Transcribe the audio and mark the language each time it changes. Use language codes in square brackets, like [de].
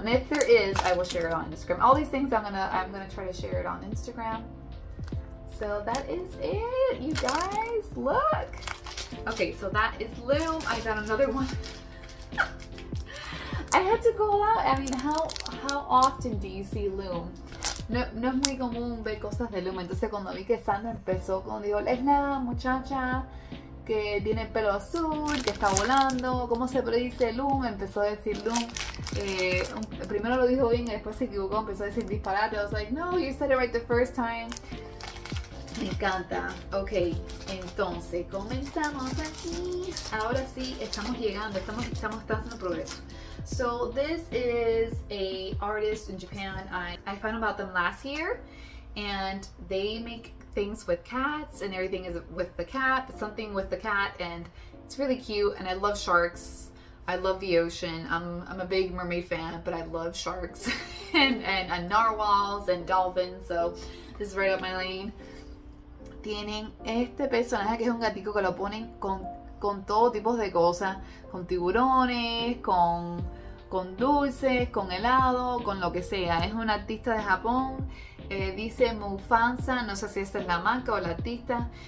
[en] And if there is, I will share it on Instagram. All these things, I'm gonna try to share it on Instagram. So that is it, you guys. Look. Okay, so that is little. I got another one. I had to go out. I mean, how often do you see Loom? [es] No es muy común ver cosas de Loom. Entonces, cuando vi que Sandra empezó con, digo, es nada, muchacha, que tiene el pelo azul, que está volando, ¿cómo se dice Loom? Empezó a decir Loom. Primero lo dijo bien y después se equivocó, empezó a decir disparate. [en] I was like, no, you said it right the first time. [es] Me encanta. Ok, entonces, comenzamos aquí. Ahora sí, estamos llegando, estamos haciendo progreso. [en] So this is a artist in Japan. I found about them last year, and they make things with cats, and everything is with the cat, something with the cat, and it's really cute. And I love sharks. I love the ocean. I'm a big mermaid fan, but I love sharks and narwhals and dolphins. So this is right up my lane. [es] Tienen este personaje que es un gatico que lo ponen con todo tipo de cosas, con tiburones, con dulces, con helado, con lo que sea. Es un artista de Japón. Dice Mufansa, no sé si esta es la marca o la artista.